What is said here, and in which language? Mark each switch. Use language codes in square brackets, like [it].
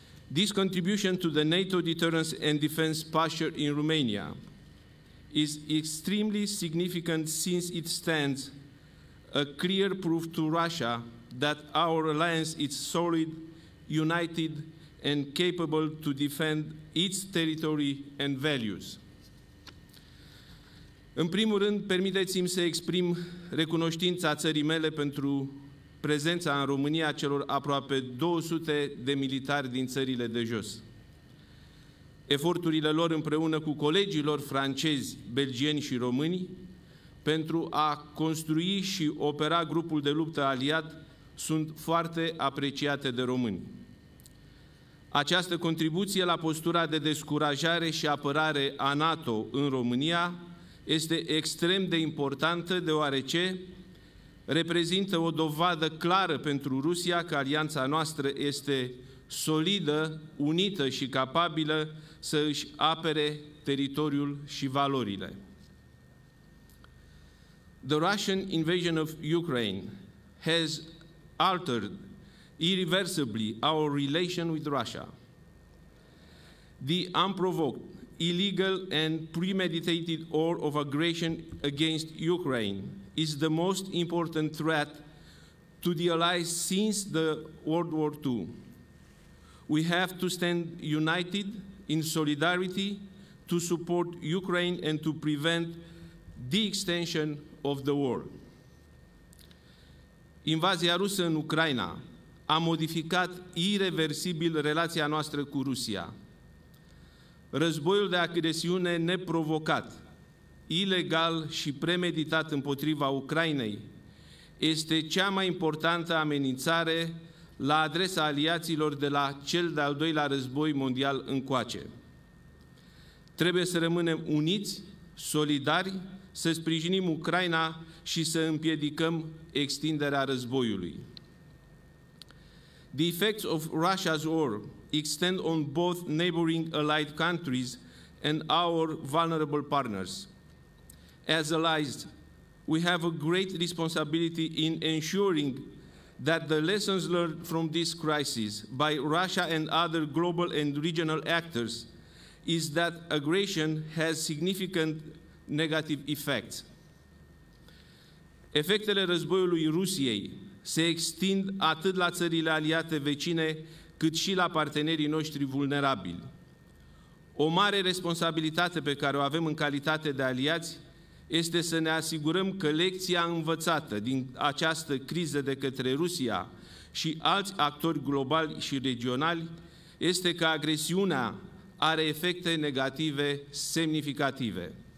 [en] This contribution to the NATO deterrence and defense posture in Romania is extremely significant since it stands a clear proof to Russia that our alliance is solid, united, and capable to defend its territory and values. [ro] În primul rând, permiteți-mi să exprim recunoștința țării mele pentru prezența în România celor aproape 200 de militari din țările de jos. Eforturile lor împreună cu colegilor francezi, belgieni și români pentru a construi și opera grupul de luptă aliat sunt foarte apreciate de români. Această contribuție la postura de descurajare și apărare a NATO în România este extrem de importantă, deoarece reprezintă o dovadă clară pentru Rusia că alianța noastră este solidă, unită și capabilă să își apere teritoriul și valorile. [en] The Russian invasion of Ukraine has altered irreversibly our relation with Russia. The unprovoked, illegal and premeditated war of aggression against Ukraine is the most important threat to the Allies since the World War II. We have to stand united in solidarity to support Ukraine and to prevent the extension of the war. [ro] Invazia rusă în Ucraina a modificat irreversibil relația noastră cu Rusia. Războiul de agresiune neprovocat, ilegal și premeditat împotriva Ucrainei este cea mai importantă amenințare la adresa aliaților de la cel de-al doilea război mondial încoace. Trebuie să rămânem uniți, solidari, să sprijinim Ucraina și să împiedicăm extinderea războiului. [en] The effects of Russia's war extend on both neighboring allied countries and our vulnerable partners. As allies, we have a great responsibility in ensuring that the lessons learned from this crisis by Russia and other global and regional actors is that aggression has significant negative effects. [ro] Efectele războiului Rusiei se extind atât la țările aliate vecine, cât și la partenerii noștri vulnerabili. O mare responsabilitate pe care o avem în calitate de aliați este să ne asigurăm că lecția învățată din această criză de către Rusia și alți actori globali și regionali este că agresiunea are efecte negative semnificative.